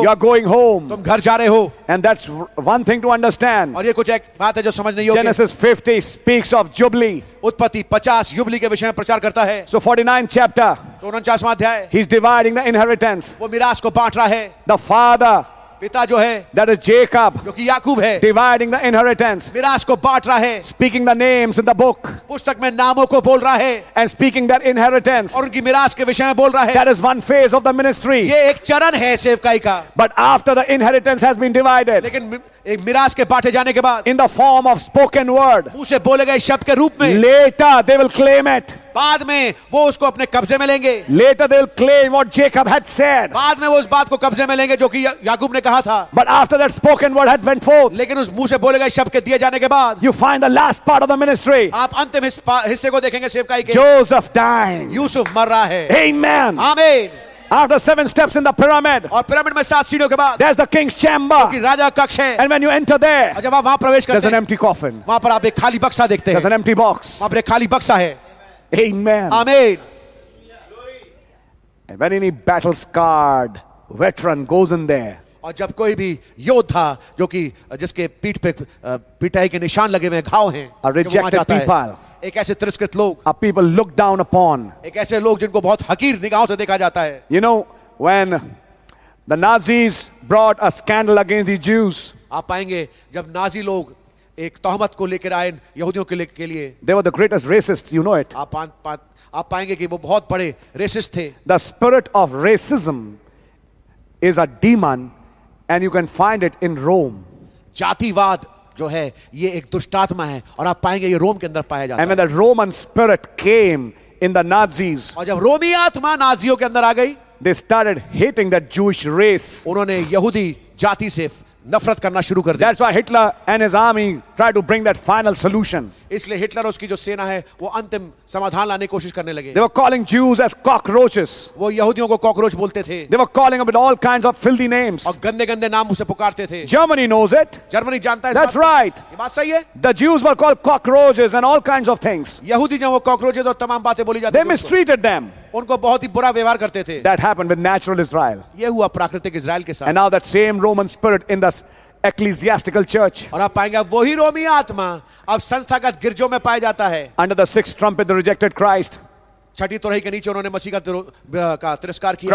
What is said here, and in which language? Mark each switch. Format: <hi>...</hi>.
<en>You are going home.</en> <hi>तुम घर जा रहे हो.</hi> <en>And that's one thing to understand.</en> <hi>और ये कुछ एक बात है जो समझ नहीं होगी.</hi> <en>Genesis 50 speaks of jubilee.</en> <hi>उत्पत्ति 50 जुबली के विषय में प्रचार करता है.</hi> <en>So 49 chapter.</en> <hi>49वां अध्याय.</hi> <en>He is dividing the inheritance.</en> <hi>वो मीरास को बांट रहा है.</hi> <en>The father.</en> <hi>पिता जो है.</hi> <en>That is Jacob.</en> <hi>जो कि याकूब है.</hi> <en>Dividing the inheritance.</en> <hi>विरास को बांट रहा है.</hi> <en>Speaking the names in the book.</en> <hi>पुस्तक में नामों को बोल रहा है.</hi> <en>And speaking that inheritance.</en> <hi>और उनकी विरास के विषय में बोल रहा है.</hi> <en>That is one phase of the ministry.</en> <hi>ये एक चरण है सेवकाई का.</hi> <en>But after the inheritance has been divided.</en> <hi>लेकिन एक मिरास के बांटे जाने के बाद.</hi> <en>In the form of spoken word.</en> <hi>उसे बोले गए शब्द के रूप में.</hi> <en>Later they will claim it.</en> <hi>बाद में वो उसको अपने कब्जे में लेंगे.</hi> <en>Later they'll claim what Jacob had said.</en> <hi>बाद में वो उस बात को कब्जे में लेंगे जो कि याकूब ने कहा था.</hi> <en>But after that spoken word had went forth.</en> <hi>लेकिन उस मुंह से बोले गए शब्द के दिए जाने के बाद.</hi> <en>You find the last part of the ministry.</en> <hi>आप अंतिम हिस्से को देखेंगे सेवकाई के.</hi> <en>Joseph dying.</en> <hi>यूसुफ मर रहा है.</hi> <en>Amen. Amen. After seven steps in the pyramid.</en> <hi>और पिरामिड में सात सीढ़ियों के बाद.</hi> <en>There's the king's chamber.</en> <hi>क्योंकि राजा कक्ष है.</hi> <en>And when you enter there.</en> <hi>और जब आप वहां प्रवेश करते हैं.</hi> <en>There's an empty coffin.</en> <hi>वहां पर आप एक खाली बक्सा देखते हैं.</hi> <en>There's an empty box.</en> <hi>वहां पर एक खाली बक्सा है.</hi> <en>Amen. Amen. And when any battle scarred veteran goes in there.</en> <hi>और जब कोई भी योद्धा जो कि जिसके पीठ पे पिटाई के निशान लगे हुए घाव हैं.</hi> <en>A rejected people.</en> <hi>एक ऐसे तिरस्कृत लोग.</hi> <en>A people looked down upon.</en> <hi>एक ऐसे लोग जिनको बहुत हकीर निगाहों से देखा जाता है.</hi> <en>You know when the Nazis brought a scandal against the Jews.</en> <hi>आप पाएंगे जब नाजी लोग एक तोहमत को लेकर आए यहूदियों के लिए.</hi> <en>They were the greatest racists, you know it.</en> <hi>आप पाएंगे कि वो बहुत बड़े रेसिस्ट थे.</hi> <en>The spirit of racism is a demon and you can find it in Rome.</en> <hi>जातिवाद जो है ये एक दुष्टात्मा है और आप पाएंगे ये रोम के अंदर पाया जाता है.</hi> <en>And when the Roman spirit came in the Nazis.</en> <hi>और जब रोमी आत्मा नाजियों के अंदर आ गई.</hi> <en>They started hating that Jewish race.</en> <hi>उन्होंने यहूदी जाति से नफरत करना शुरू कर दिया.</hi> <en>That's why Hitler and his army tried to bring that final solution.</en> <hi>इसलिए हिटलर और उसकी जो सेना है वो अंतिम समाधान लाने की कोशिश करने लगे.</hi> <en>They were calling Jews as cockroaches.</en> <hi>वो यहूदियों को कॉकरोच बोलते थे.</hi> <en>They were calling them with all kinds of filthy names.</en> <hi>और गंदे-गंदे नाम उसे पुकारते थे.</hi> <en>Germany knows it.</en> <hi>जर्मनी जानता है.</hi> <en>That's right.</en> <hi>ये बात सही है.</hi> <en>The Jews were called cockroaches and all kinds of things.</en> <hi>यहूदी जो वो कॉकरोचेस और तमाम बातें बोली जाती थी.</hi> <en>They mistreated them.</en> <hi>उनको बहुत ही बुरा व्यवहार करते थे.</hi> <en>That happened with natural Israel.</en> <hi>ये हुआ प्राकृतिक इज़राइल के साथ.</hi> <en>And now that same Roman spirit in the ecclesiastical church.</en> <hi>और आप पाएंगे वही रोमी आत्मा अब संस्थागत गिरजों में पाया जाता है.</hi> <en>Under the sixth trumpet, the rejected Christ.</en> <hi>छठी तुरही के नीचे उन्होंने मसीह का तिरस्कार किया.</hi>